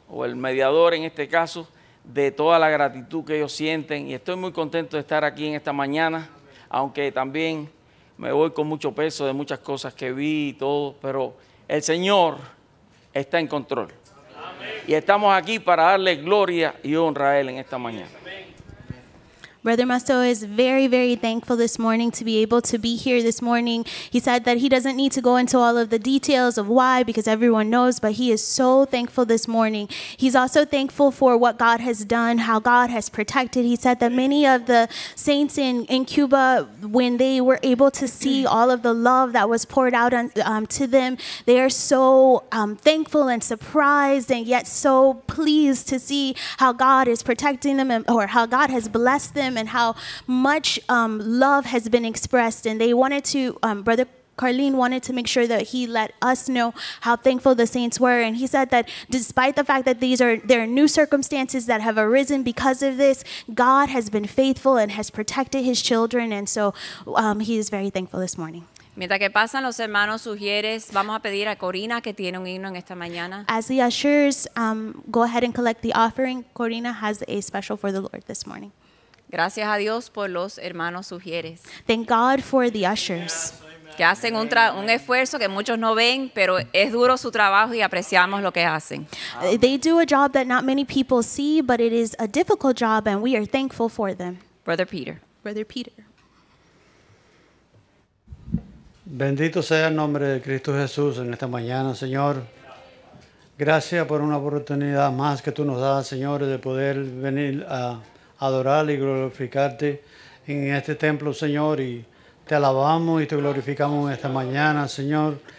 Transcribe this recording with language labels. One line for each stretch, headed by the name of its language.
Spanish: O el mediador en este caso, de toda la gratitud que ellos sienten, y estoy muy contento de estar aquí en esta mañana, aunque también me voy con mucho peso de muchas cosas que vi y todo, pero el Señor está en control. Y estamos aquí para darle gloria y honra a Él en esta mañana.
English: Brother Masto is very, very thankful this morning to be able to be here this morning. He said that he doesn't need to go into all of the details of why, because everyone knows, but he is so thankful this morning. He's also thankful for what God has done, how God has protected. He said that many of the saints in Cuba, when they were able to see all of the love that was poured out on, to them, they are so thankful and surprised and yet so pleased to see how God is protecting them or how God has blessed them and how much love has been expressed. And they wanted to, Brother Carlene wanted to make sure that he let us know how thankful the saints were. And he said that despite the fact that there are new circumstances that have arisen because of this, God has been faithful and has protected his children. And so he is very thankful this morning.
Spanish: Mientras que pasan los hermanos sugieres, vamos a pedir a Corina que tiene un himno en esta mañana.
English: As the ushers go ahead and collect the offering, Corina has a special for the Lord this morning.
Spanish: Gracias a Dios por los hermanos sugieres.
English: Thank God for the ushers.
Spanish: Que hacen un esfuerzo que muchos no ven, pero es duro su trabajo y apreciamos lo que hacen.
English: They do a job that not many people see, but it is a difficult job and we are thankful for them. Brother Peter. Brother Peter.
Spanish: Bendito sea el nombre de Cristo Jesús en esta mañana, Señor. Gracias por una oportunidad más que tú nos das, Señor, de poder venir a adorar y glorificarte en este templo, Señor, y te alabamos y te glorificamos en esta mañana, Señor.